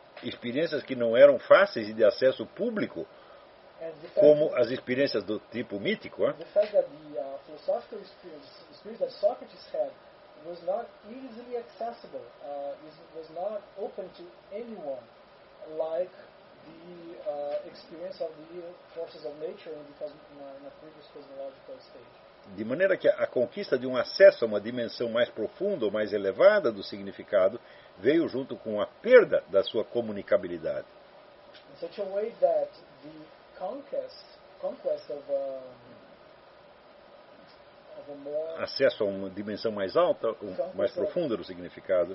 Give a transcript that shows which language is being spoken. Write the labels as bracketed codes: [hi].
[pt] Experiências que não eram fáceis e de acesso público, como as experiências do tipo mítico. [en] The fact that the philosophical experience that Socrates had was not easily accessible, was not open to anyone, like the experience of the forces of nature in a previous cosmological stage. [pt] De maneira que a conquista de um acesso a uma dimensão mais profunda ou mais elevada do significado veio junto com a perda da sua comunicabilidade. [en] In such a way that the conquest of a more [pt] acesso a uma dimensão mais alta, mais profunda do significado.